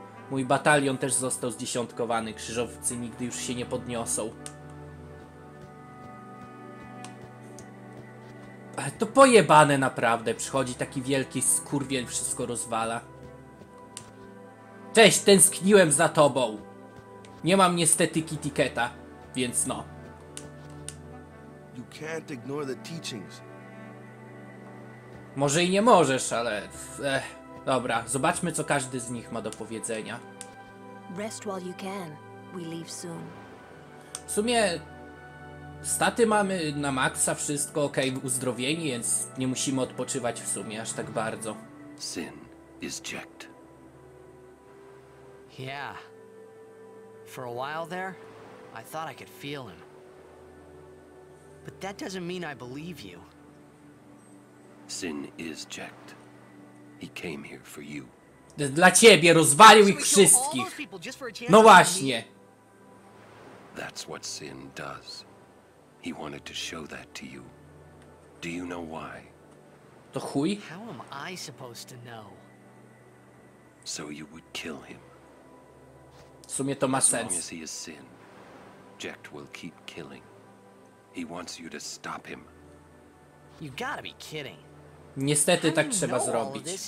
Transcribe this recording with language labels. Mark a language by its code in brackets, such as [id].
[pl] Mój batalion też został zdziesiątkowany. Krzyżowcy nigdy już się nie podniosą. Ale to pojebane naprawdę. Przychodzi taki wielki skurwiel, wszystko rozwala. Cześć, tęskniłem za tobą. Nie mam niestety Kitiketa, więc no. [en] You can't ignore the teachings. [pl] Może i nie możesz, ale... dobra, zobaczmy, co każdy z nich ma do powiedzenia. [en] Rest while you can. We leave soon. [pl] W sumie... staty mamy na maksa, wszystko okej, uzdrowienie, więc nie musimy odpoczywać w sumie aż tak bardzo. [en] Sin is checked. Yeah. For a while there, I thought I could feel him. But that doesn't mean I believe you. Sin is checked. He came here for you. [pl] Dla ciebie, rozwalił ich wszystkich. No właśnie. [en] That's what Sin does. He wanted to show that to you. Do you know why? [pl] To chuj? [en] How am I supposed to know? So you would kill him. [pl] W sumie to ma sens. [en] As long as he is Sin, Jekt will keep killing. He wants you to stop him. You gotta be kidding. [pl] Niestety tak trzeba zrobić.